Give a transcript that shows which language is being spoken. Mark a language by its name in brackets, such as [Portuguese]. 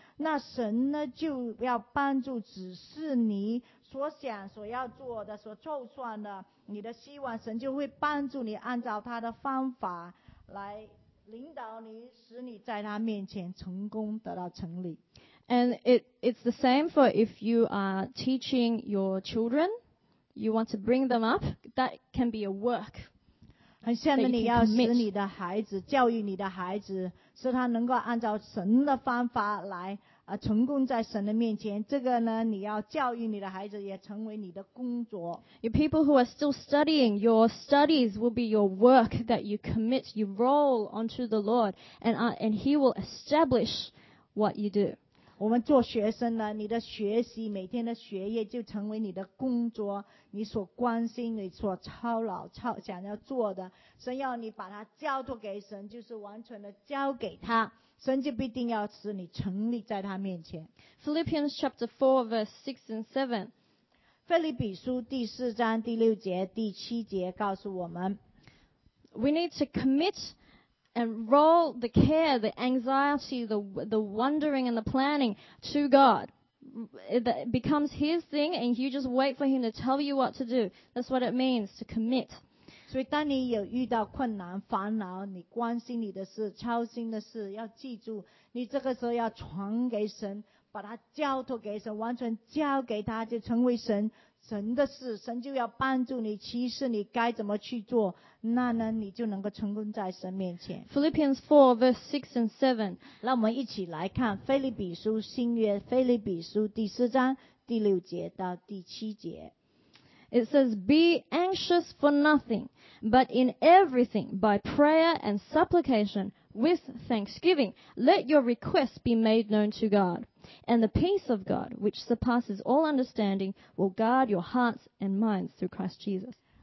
[Chinese] 那神呢就要帮助指示你所想所要做的所凑算的你的希望，神就会帮助你按照他的方法来领导你，使你在他面前成功得到成立。 [English] And it's the same for if you are teaching your children, you want to bring them up, that can be a work. [Chinese] 很像你要使你的孩子教育你的孩子，使他能够按照神的方法来成功在神的面前，这个呢你要教育你的孩子也成为你的工作。 [English] Your people who are still studying, your studies will be your work that you commit, you roll onto the Lord, and he will establish what you do. [Chinese] 我们做学生呢，你的学习每天的学业就成为你的工作，你所关心你所操劳想要做的，神要你把它交托给神，就是完全的交给他，神就必定要使你成立在他面前。 [English] Philippians chapter 4 verse 6 and 7， [Chinese] 腓立比书第四章第六节第七节告诉我们， [English] We need to commit and roll the care, the anxiety, the wondering and the planning to God. becomes his thing and you just wait for him to tell you what to do. That's what it means to commit. [Chinese] 所以当你有遇到困难烦恼你关心你的事操心的事要记住你这个时候要传给神把它交托给神完全交给他就成为神神的事神就要帮助你启示你该怎么去做那呢你就能够成功在神面前 [English] Philippians 4 verse 6 and 7 [Chinese] 让我们一起来看腓立比书新约腓立比书第四章第六节到第七节 [English] It says, Be anxious for nothing, but in everything, by prayer and supplication, with thanksgiving, let your requests be made known to God. And the peace of God, which surpasses all understanding, will guard your hearts and minds through Christ Jesus.